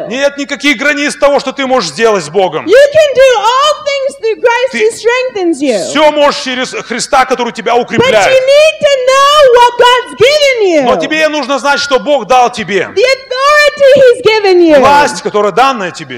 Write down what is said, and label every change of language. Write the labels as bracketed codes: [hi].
[ru] Нет никаких границ того, что ты можешь сделать с Богом. [en] You can do all things through Christ who strengthens you. [ru] Все можешь через Христа, который тебя укрепляет. [en] But you need to know what God's given you. [ru] Но тебе нужно знать, что Бог дал тебе. [en] The authority He's given you. [ru] Власть, которая данная тебе.